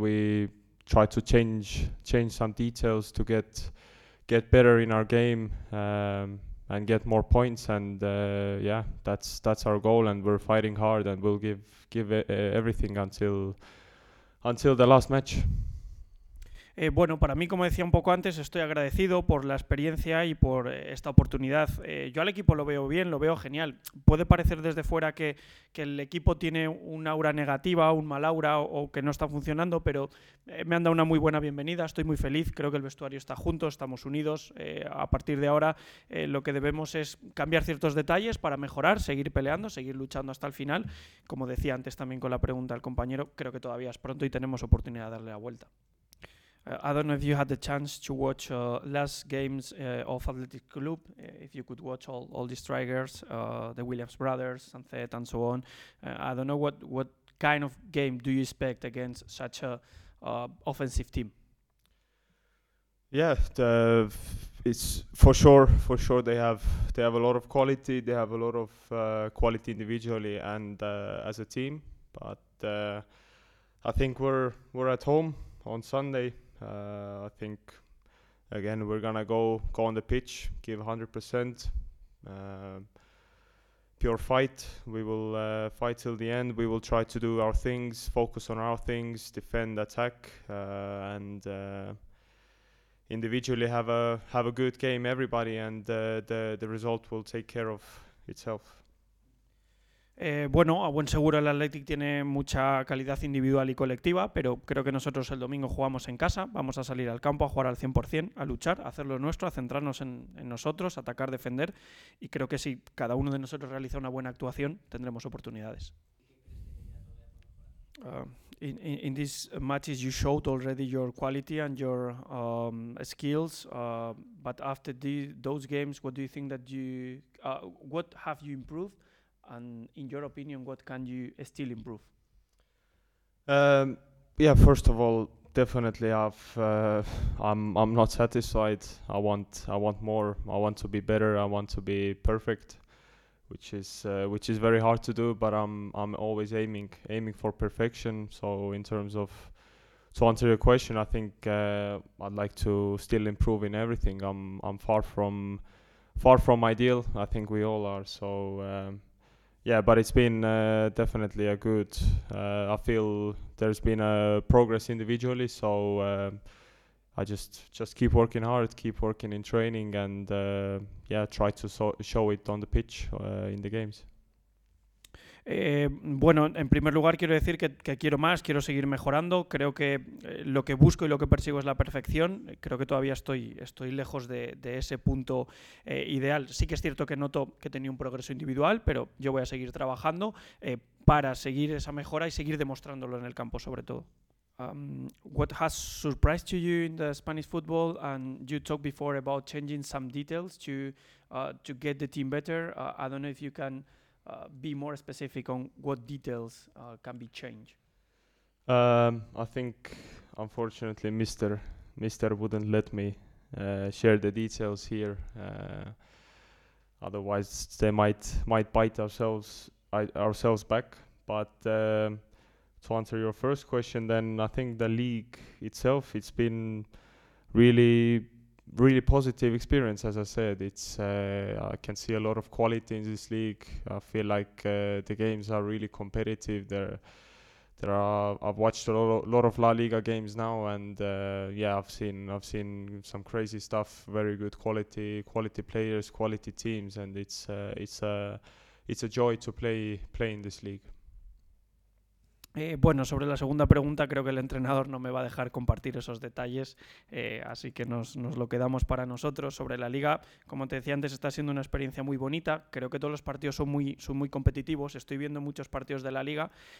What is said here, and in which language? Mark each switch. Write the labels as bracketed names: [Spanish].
[English] We try to change some details to get better in our game. And get more points, and that's our goal, and we're fighting hard, and we'll give everything until the last match. [Spanish] Bueno, para mí, como decía un poco antes, estoy agradecido por la experiencia y por esta oportunidad. Yo al equipo lo veo bien, lo veo genial. Puede parecer desde fuera que el equipo tiene un aura negativa, un mal aura o que no está funcionando, pero me han dado una muy buena bienvenida, estoy muy feliz, creo que el vestuario está junto, estamos unidos. A partir de ahora lo que debemos es cambiar ciertos detalles para mejorar, seguir peleando, seguir luchando hasta el final. Como decía antes también con la pregunta al compañero, creo que todavía es pronto y tenemos oportunidad de darle la vuelta. [English] I don't know if you had the chance to watch last games of Athletic Club, if you could watch all the strikers, the Williams brothers, Sancet, and so on. I don't know what kind of game do you expect against such a offensive team? Yeah, it's for sure they have a lot of quality. They have a lot of quality individually and as a team. But I think we're at home on Sunday. I think again we're gonna go on the pitch, give 100% pure fight. We will fight till the end. We will try to do our things, focus on our things, defend, attack, and individually have a good game, everybody, and the result will take care of itself. [Spanish] Bueno, a buen seguro el Athletic tiene mucha calidad individual y colectiva, pero creo que nosotros el domingo jugamos en casa, vamos a salir al campo a jugar al 100%, a luchar, a hacer lo nuestro, a centrarnos en nosotros, a atacar, defender, y creo que si cada uno de nosotros realiza una buena actuación, tendremos oportunidades. [English] In these matches you showed already your quality and your skills, but after those games, what do you think that you, what have you improved? And in your opinion, what can you still improve? Yeah, first of all, definitely I'm not satisfied. I want more. I want to be better. I want to be perfect, which is very hard to do. But I'm always aiming for perfection. So in terms of to answer your question, I think I'd like to still improve in everything. I'm far from ideal. I think we all are. So. Yeah, but it's been definitely a good. I feel there's been a progress individually, so I just keep working hard, keep working in training, and try to show it on the pitch in the games. [Spanish] Bueno, en primer lugar quiero decir que quiero más, quiero seguir mejorando. Creo que lo que busco y lo que persigo es la perfección. Creo que todavía estoy lejos de ese punto ideal. Sí que es cierto que noto que tenía un progreso individual, pero yo voy a seguir trabajando para seguir esa mejora y seguir demostrándolo en el campo, sobre todo. [English] What has surprised you in the Spanish football? And you talked before about changing some details to get the team better. I don't know if you can be more specific on what details can be changed. I think, unfortunately, Mister wouldn't let me share the details here. Otherwise, they might bite ourselves back. But to answer your first question, then I think the league itself, it's been really, really positive experience. As I said, I can see a lot of quality in this league. I feel like the games are really competitive. I've watched a lot of La Liga games now, and I've seen some crazy stuff. Very good quality players, quality teams, and it's a joy to play in this league. [Spanish] Bueno, sobre la segunda pregunta, creo que el entrenador no me va a dejar compartir esos detalles, así que nos lo quedamos para nosotros. Sobre la Liga, como te decía antes, está siendo una experiencia muy bonita. Creo que todos los partidos son muy competitivos. Estoy viendo muchos partidos de la Liga.